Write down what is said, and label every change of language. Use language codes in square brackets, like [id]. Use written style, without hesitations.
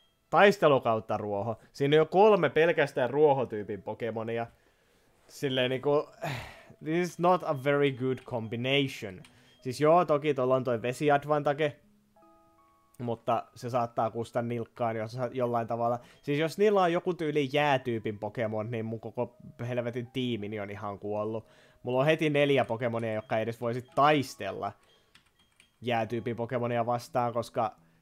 [fi] taistelu kautta ruoho. Siinä on jo kolme pelkästään ruohotyypin Pokemonia. Silleen niinku, [en] this is not a very good combination. [fi] Siis joo, toki tuolla on toi vesiadvantage, mutta se saattaa kusta nilkkaan jos, jollain tavalla. Siis jos niillä on joku tyyli jäätyypin Pokemon, niin mun koko helvetin tiimini on ihan kuollut. Mulla on heti 4 Pokemonia, jotka edes voisi taistella jäätyypin Pokemonia vastaan, koska...